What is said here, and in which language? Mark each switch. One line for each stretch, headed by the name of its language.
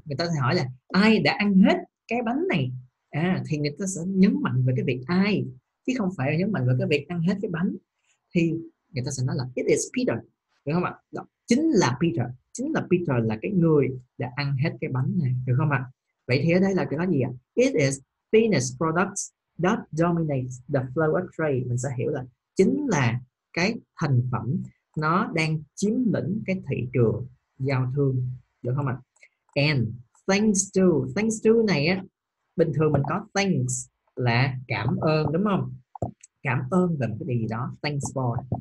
Vietnamese: Người ta sẽ hỏi là ai đã ăn hết cái bánh này, thì người ta sẽ nhấn mạnh về cái việc ai, chứ không phải nhấn mạnh về cái việc ăn hết cái bánh. Thì người ta sẽ nói là
English: it is Peter,
Vietnamese: được không ạ? Đó, chính là Peter là cái người đã ăn hết cái bánh này, được không ạ? Vậy thì ở đây là cái đó gì ạ?
English: It is finished products that dominates the flow of trade.
Vietnamese: Mình sẽ hiểu là chính là cái thành phẩm nó đang chiếm lĩnh cái thị trường giao thương, được không ạ?
English: And thanks to
Vietnamese: này á, bình thường mình có thanks là cảm ơn đúng không? Cảm ơn là một cái gì đó, thanks for.